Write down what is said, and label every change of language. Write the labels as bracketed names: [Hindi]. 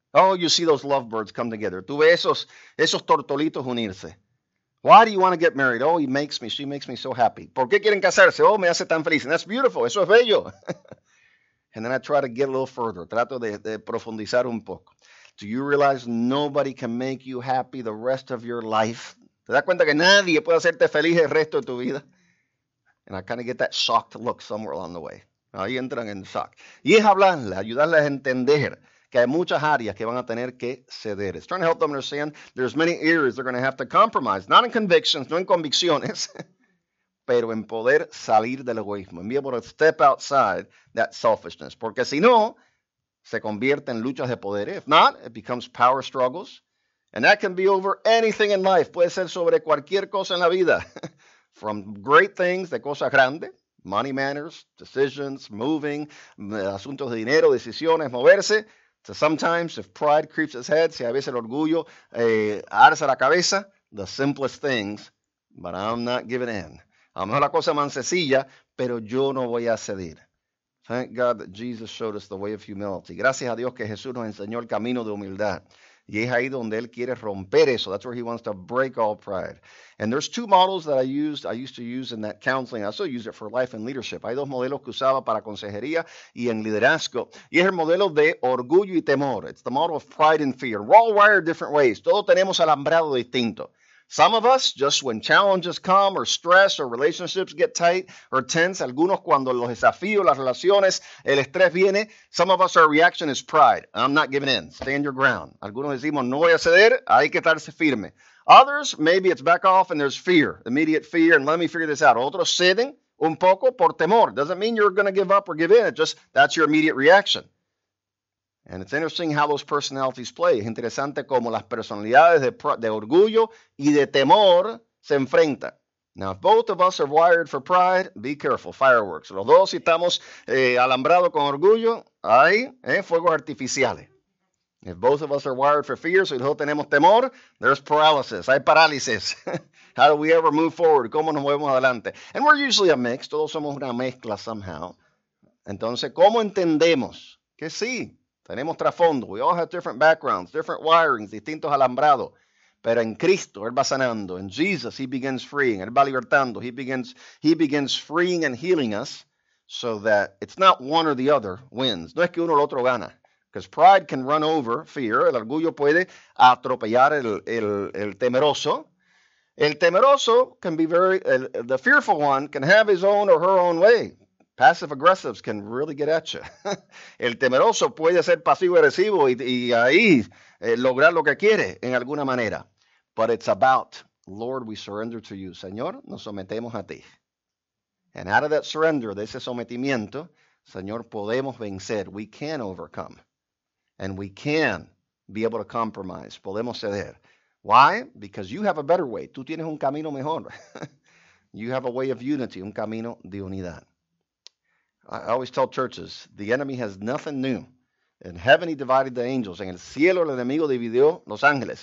[English] Oh, you see those lovebirds come together. [Spanish] Tú ves esos tortolitos unirse. [English] Why do you want to get married? Oh, she makes me so happy. [Spanish] ¿Por qué quieren casarse? Oh, me hace tan feliz. [English] And that's beautiful. [Spanish] Eso es bello. [English] And then I try to get a little further. [Spanish] Trato de profundizar un poco. [English] Do you realize nobody can make you happy the rest of your life? [Spanish] ¿Te das cuenta que nadie puede hacerte feliz el resto de tu vida? [English] And I kind of get that shocked look somewhere along the way. [Spanish] Ahí entran en shock. Y es hablarles, ayudarles a entender que hay muchas áreas que van a tener que ceder. [English] It's trying to help them understand there's many areas they're going to have to compromise. Not in convictions, [Spanish] no en convicciones, pero en poder salir del egoísmo. [English] And be able to step outside that selfishness. [Spanish] Porque si no, se convierte en luchas de poder. [English] If not, it becomes power struggles. And that can be over anything in life. [Spanish] Puede ser sobre cualquier cosa en la vida. [English] From great things, [Spanish] de cosas grandes. [English] Money matters, decisions, moving, [Spanish] asuntos de dinero, decisiones, moverse. [English] So sometimes, if pride creeps its head, [Spanish] si a veces el orgullo arsa la cabeza, [English] the simplest things, but I'm not giving in. [Spanish] A lo mejor la cosa más sencilla, pero yo no voy a ceder. [English] Thank God that Jesus showed us the way of humility. [Spanish] Gracias a Dios que Jesús nos enseñó el camino de humildad. Y es ahí donde Él quiere romper eso. [English] That's where He wants to break all pride. And there's two models that I used to use in that counseling. I still use it for life and leadership. [Spanish] Hay dos modelos que usaba para consejería y en liderazgo. Y es el modelo de orgullo y temor. [English] It's the model of pride and fear. We're all wired different ways. [Spanish] Todos tenemos alambrado distinto. [English] Some of us, just when challenges come or stress or relationships get tight or tense, [Spanish] algunos cuando los desafíos, las relaciones, el estrés viene, [English] some of us, our reaction is pride. I'm not giving in. Stand your ground. [Spanish] Algunos decimos, no voy a ceder, hay que estarse firme. [English] Others, maybe it's back off and there's fear, immediate fear, and let me figure this out. [Spanish] Otros ceden un poco por temor. [English] Doesn't mean you're going to give up or give in. It's just that's your immediate reaction. And it's interesting how those personalities play. [Spanish] Es interesante cómo las personalidades de orgullo y de temor se enfrentan. [English] Now, if both of us are wired for pride, be careful, fireworks. [Spanish] Los dos, si estamos alambrados con orgullo, hay fuegos artificiales. [English] If both of us are wired for fear, [Spanish] si dos tenemos temor, [English] there's paralysis, [Spanish] hay parálisis. [English] How do we ever move forward? [Spanish] ¿Cómo nos movemos adelante? [English] And we're usually a mix. [Spanish] Todos somos una mezcla somehow. Entonces, ¿cómo entendemos que sí? Tenemos trasfondo. [English] We all have different backgrounds, different wirings, [Spanish] distintos alambrados. Pero en Cristo, Él va sanando. [English] In Jesus, He begins freeing. [Spanish] Él va libertando. [English] He begins freeing and healing us so that it's not one or the other wins. [Spanish] No es que uno o el otro gana. [English] Because pride can run over fear. [Spanish] El orgullo puede atropellar el temeroso. El temeroso [English] can be very, the fearful one can have his own or her own way. Passive aggressives can really get at you. [Spanish] El temeroso puede ser pasivo agresivo y ahí lograr lo que quiere en alguna manera. [English] But it's about, Lord, we surrender to you. [Spanish] Señor, nos sometemos a ti. [English] And out of that surrender, [Spanish] de ese sometimiento, Señor, podemos vencer. [English] We can overcome. And we can be able to compromise. [Spanish] Podemos ceder. [English] Why? Because you have a better way. [Spanish] Tú tienes un camino mejor. [English] You have a way of unity, [Spanish] un camino de unidad. [English] I always tell churches, the enemy has nothing new. In heaven, he divided the angels. [Spanish] En el cielo, el enemigo dividió los ángeles.